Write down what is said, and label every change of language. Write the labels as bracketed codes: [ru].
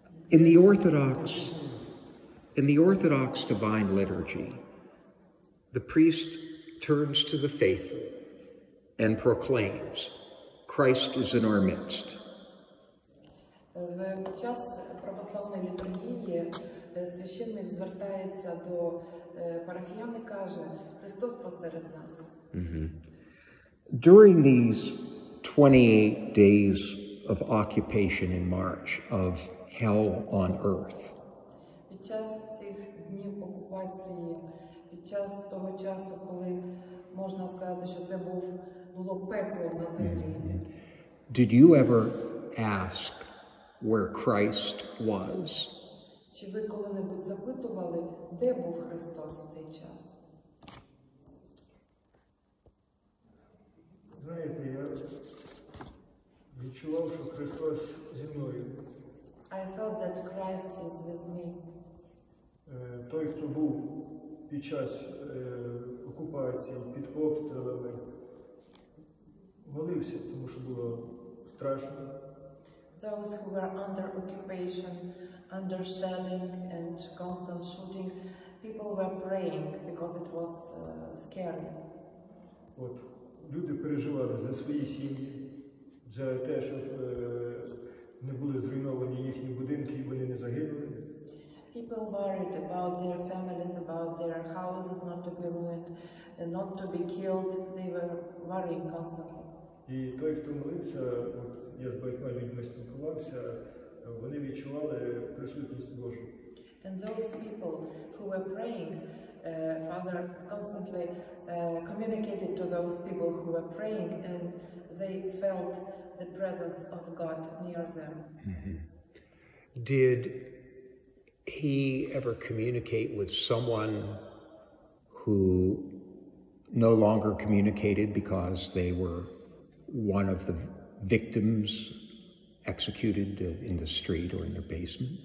[en] In the Orthodox Divine Liturgy, the priest turns to the faithful and proclaims, Christ is in our midst. [uk] В час православної літургії священник звертається до парафіян і каже: Христос посеред нас. [en] Mm-hmm. During these 28 days of occupation in March of hell on earth. [uk] Під час цих днів окупації, під час того часу, коли можна сказати, що це було пекло на землі. Mm-hmm. [en] Did you ever ask where Christ was? [uk] Чи ви коли-небудь запитували, де був Христос в цей час? Знаєте, я відчував, що Христос зі мною. [en] I felt that Christ was with me. [uk] Той, хто був під час окупації, під обстрілами, молився, тому що було страшно. [en] Those who were under occupation, under shelling and constant shooting, people were praying because it was scary. [uk] От люди переживали за свої сім'ї, за те, щоб не були зруйновані їхні будинки і вони не загинули. [en] People worried about their families, about their houses not to be ruined, not to be killed. They were worrying constantly. [uk] І той, хто молився, от я з багатьма людьми спілкувався, вони відчували присутність Божу. [en] And those people who were praying, Father constantly communicated to those people who were praying, and they felt the presence of God near them. Did he ever communicate with someone who no longer communicated because they were one of the victims executed in the street or in their basement?